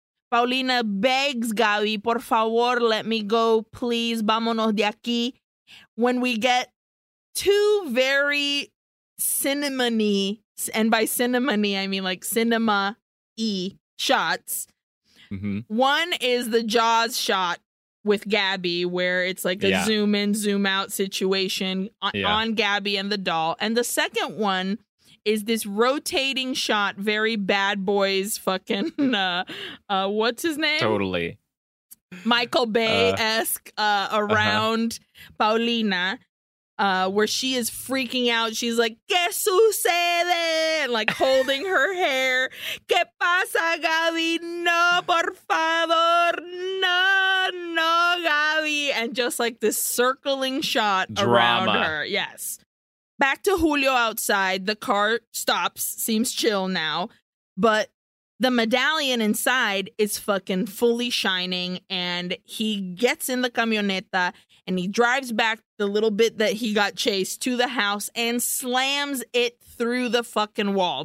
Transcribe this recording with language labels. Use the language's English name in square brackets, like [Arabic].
[English] Paulina begs Gaby, [Spanish] por favor, [English] let me go, please, [Spanish] vámonos de aquí. [English] When we get two very cinema-y, and by cinema-y, I mean like cinema-y shots. Mm-hmm. One is the Jaws shot with Gabby, where it's like a zoom in, zoom out situation on Gabby and the doll. And the second one is this rotating shot, very Bad Boys fucking, what's his name? Totally. Michael Bay-esque around Paulina, where she is freaking out. She's like, [Spanish] ¿qué sucede? [English] And like holding her hair. [Spanish] ¿Qué pasa, Gaby? No, por favor. No, no, Gaby. [English] and just like this circling shot drama around her. Yes. Back to Julio outside. The car stops, seems chill now, but the medallion inside is fucking fully shining, and he gets in the camioneta and he drives back the little bit that he got chased to the house and slams it through the fucking wall.